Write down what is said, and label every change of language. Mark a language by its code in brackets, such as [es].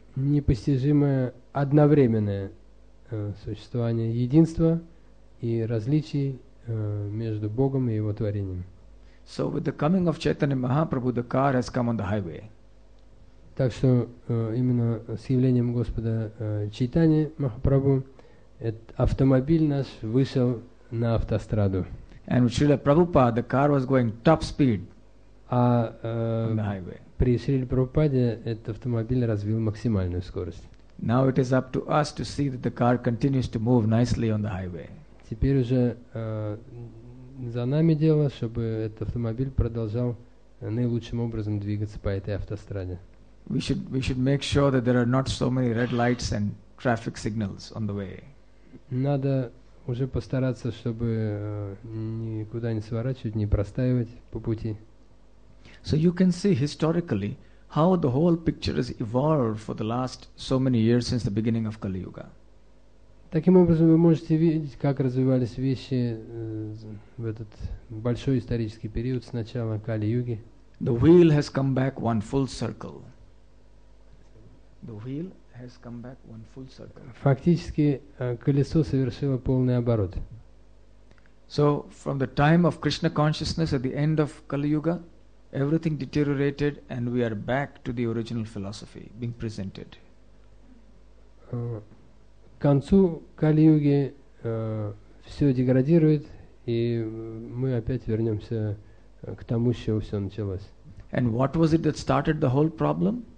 [ru] Непостижимое одновременное существование единства и различий между Богом и Его творением. [en] So with the coming of Chaitanya Mahaprabhu, the car has come on the highway. [ru] Так что именно с явлением Господа Чайтани Махапрабху этот автомобиль наш вышел на автостраду. [en] And with Srila Prabhupada, the car was going top speed. [ru] А при Шриле Прабхупаде этот автомобиль развил максимальную скорость. [en] Now it is up to us to see that the car continues to move nicely on the highway. [ru] Теперь уже за нами дело, чтобы этот автомобиль продолжал наилучшим образом двигаться по этой автостраде. [en] We should make sure that there are not so many red lights and traffic signals on the way. [ru] Надо уже постараться, чтобы никуда не сворачивать, не простаивать по пути. [en] So you can see historically how the whole picture has evolved for the last so many years since the beginning of Kali Yuga. [ru] Таким образом, вы можете видеть, как развивались вещи в этот большой исторический период с начала Кали Юги. [en] The wheel has come back one full circle. The wheel has come back one full circle. [ru] Фактически колесо совершило полный оборот. [en] So from the time of Krishna consciousness at the end of Kali Yuga, everything deteriorated and we are back to the original philosophy being presented. [ru] К концу Кали Юги все деградирует и мы опять вернемся к тому, с чего все началось. [en] And what was it that started the whole problem?